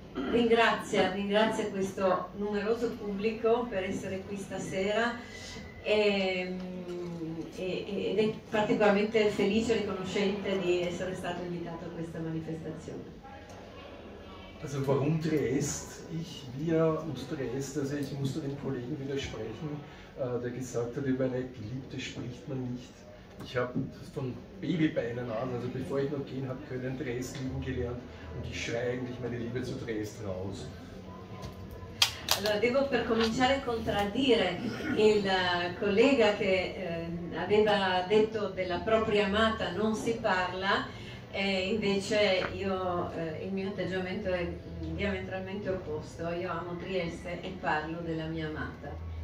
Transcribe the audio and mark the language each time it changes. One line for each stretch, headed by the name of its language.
Italian: Ringrazio questo numeroso pubblico per essere qui stasera ed è particolarmente felice e riconoscente di essere stato invitato a questa manifestazione.
German: Also warum Triest? Wir und Triest, also ich musste dem Kollegen widersprechen, der gesagt hat, über eine Geliebte spricht man nicht. Ich habe von Babybeinen an, also bevor ich noch gehen habe können, Triest lieben gelernt und ich schreie eigentlich meine Liebe zu Triest raus.
Italian: Allora, devo per cominciare contraddire il collega che aveva detto della propria amata non si parla, e invece il mio atteggiamento è diametralmente opposto. Io amo Trieste e parlo della mia amata.